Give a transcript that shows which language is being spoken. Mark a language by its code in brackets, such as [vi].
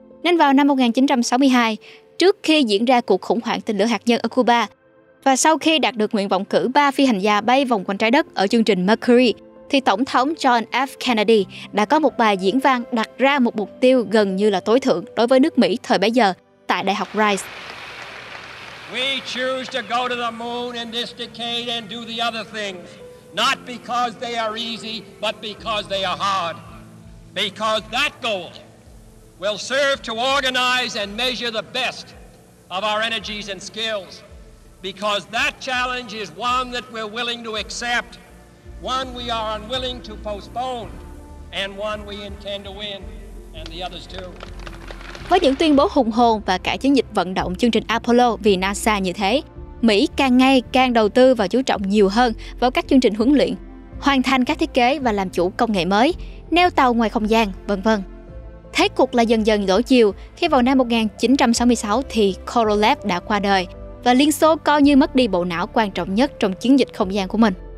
[vi] Nên vào năm 1962, trước khi diễn ra cuộc khủng hoảng tên lửa hạt nhân ở Cuba, và sau khi đạt được nguyện vọng cử 3 phi hành gia bay vòng quanh trái đất ở chương trình Mercury, thì Tổng thống John F. Kennedy đã có một bài diễn văn đặt ra một mục tiêu gần như là tối thượng đối với nước Mỹ thời bấy giờ tại Đại học Rice. [en] We choose to go to the moon in this decade and do the other things, not because they are easy, but because they are hard. Because that goal will serve to organize and measure the best of our energies and skills. Because that challenge is one that we're willing to accept, one we are unwilling to postpone, and one we intend to win, and the others too. [vi] Với những tuyên bố hùng hồn và cả chiến dịch vận động chương trình Apollo vì NASA như thế, Mỹ càng ngày càng đầu tư và chú trọng nhiều hơn vào các chương trình huấn luyện, hoàn thành các thiết kế và làm chủ công nghệ mới, neo tàu ngoài không gian, v.v. Thế cục lại dần dần đổi chiều khi vào năm 1966 thì Korolev đã qua đời và Liên Xô coi như mất đi bộ não quan trọng nhất trong chiến dịch không gian của mình.